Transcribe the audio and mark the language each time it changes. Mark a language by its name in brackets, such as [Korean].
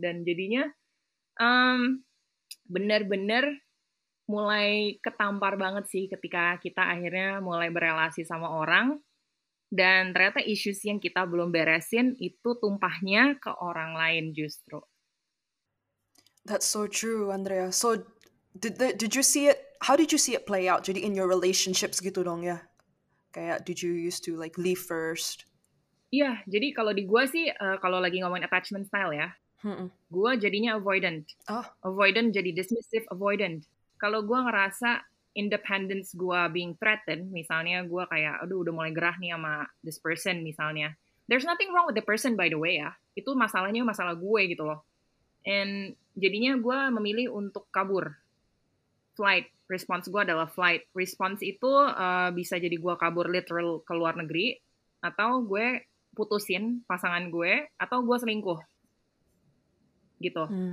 [Indonesian] Dan jadinya benar-benar mulai ketampar banget sih ketika kita akhirnya mulai berelasi sama orang. Dan ternyata issues yang kita belum beresin itu tumpahnya ke orang lain justru. [English] That's so true, Andrea. So did you see it, how did you see it play out? [Indonesian] Jadi [English] in your relationships [Indonesian] gitu dong ya? Kayak, [English] did you used to like leave first? [Indonesian] Iya, [English] yeah, [Indonesian] jadi kalau di gue sih, kalau lagi ngomongin attachment style ya, gue jadinya avoidant. Oh. Avoidant jadi dismissive avoidant. Kalau gue ngerasa independence gue [English] being threatened, [Indonesian] misalnya gue kayak, aduh udah mulai gerah nih sama [English] this person [Indonesian] misalnya. [English] There's nothing wrong with the person by the way ya. [Indonesian] Itu masalahnya masalah gue gitu loh. [English] And [Indonesian] jadinya gue memilih untuk kabur. [English] Flight. [Indonesian] Response gue adalah flight. Response itu bisa jadi gue kabur literal ke luar negeri, atau gue putusin pasangan gue, atau gue selingkuh. Gitu.